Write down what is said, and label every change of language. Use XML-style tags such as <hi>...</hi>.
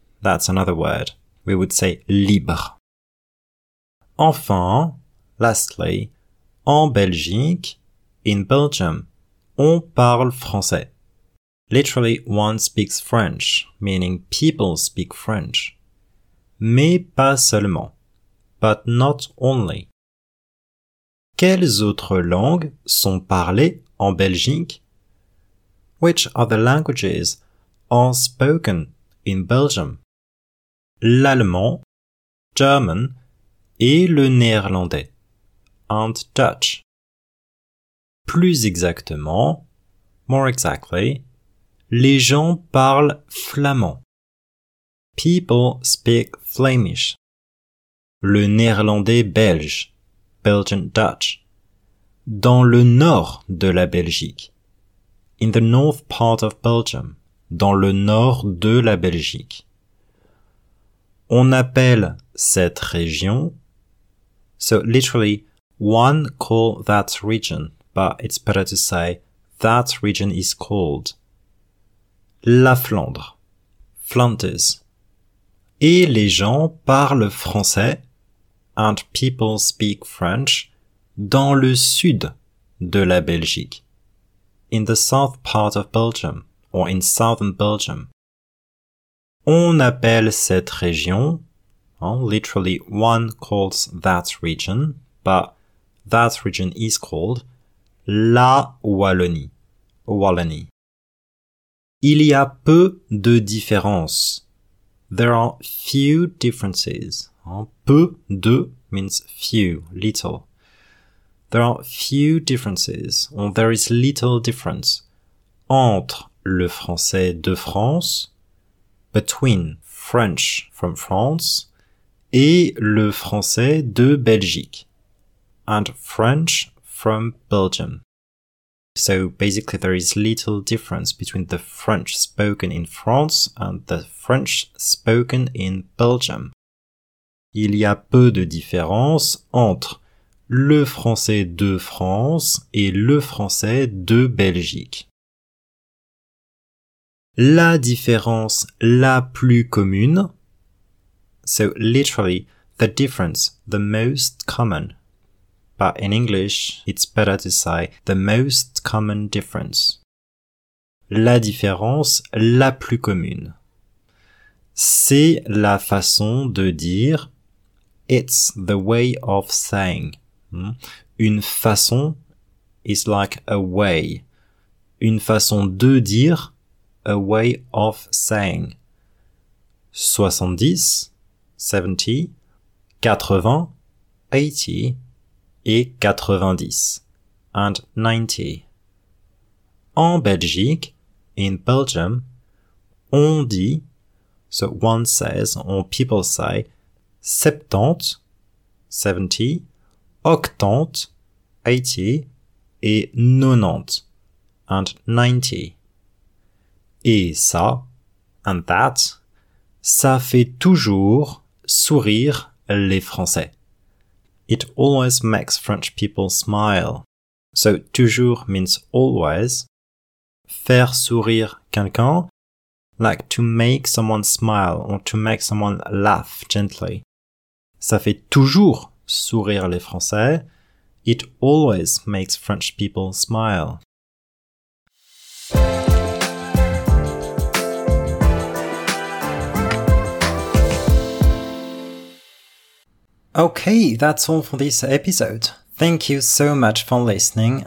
<en>That's another word. We would say libre.</en> <fr>Enfin,</fr> <en>lastly,</en> <fr>en Belgique,</fr> <en>in Belgium,</en> <fr>on parle français.</fr> <en>Literally, one speaks French, meaning people speak French.</en> <fr>Mais pas seulement.</fr> <en>But not only.</en> <fr>Quelles autres langues sont parlées en Belgique?</fr> <en>Which other languages are spoken in Belgium?</en> <fr>L'allemand,</fr> <en>German,</en> <fr>et le néerlandais,</fr> <en>and Dutch.</en> <fr>Plus exactement,</fr> <en>more exactly,</en> <fr>les gens parlent flamand.</fr> <en>People speak Flemish.</en> <fr>Le néerlandais belge,</fr> <en>Belgian Dutch.</en> <fr>Dans le nord de la Belgique.</fr> <en>In the north part of Belgium,</en> <fr>dans le nord de la Belgique. On appelle cette région.</fr> <en>So literally, one call that region, but it's better to say that region is called La Flandre, Flanders.</en> <fr>Et les gens parlent français,</fr> <en>and people speak French,</en> <fr>dans le sud de la Belgique.</fr> <en>In the south part of Belgium, or in southern Belgium.</en> <fr>On appelle cette région,</fr> <en>literally one calls that region, but that region is called La Wallonie.</en> <fr>Wallonie. Il y a peu de différences.</fr> <en>There are few differences.</en> <fr>Peu de</fr> <en>means few, little. There are few differences, or there is little difference,</en> <fr>entre le français de France,</fr> <en>between French from France,</en> <fr>et le français de Belgique,</fr> <en>and French from Belgium. So basically there is little difference between the French spoken in France and the French spoken in Belgium.</en> <fr>Il y a peu de différence entre le français de France et le français de Belgique. La différence la plus commune.</fr> <en>So literally, the difference, the most common. But in English, it's better to say the most common difference.</en> <fr>la différence la plus commune. C'est la façon de dire «</fr> <en>it's the way of saying ».</en> <fr>Une façon</fr> <en>« is like a way ».</en> <fr>Une façon de dire «</fr> <en>a way of saying ».</en> <fr>70, 70, 80, 80 et 90,</fr> <en>and 90.</en> <fr>En Belgique,</fr> <en>in Belgium,</en> <fr>on dit,</fr> <en>so one says, or people say, 70, 70, 80, 80</en> <fr>et</fr> <en>90, and 90.</en> <fr>Et ça,</fr> <en>and that,</en> <fr>ça fait toujours sourire les Français.</fr> <en>It always makes French people smile. So,</en> <fr>toujours</fr> <en>means always.</en> <fr>Faire sourire quelqu'un,</fr> <en>like to make someone smile or to make someone laugh gently.</en> <fr>Ça fait toujours sourire les Français.</fr> <en>It always makes French people smile. Okay, that's all for this episode. Thank you so much for listening.</en>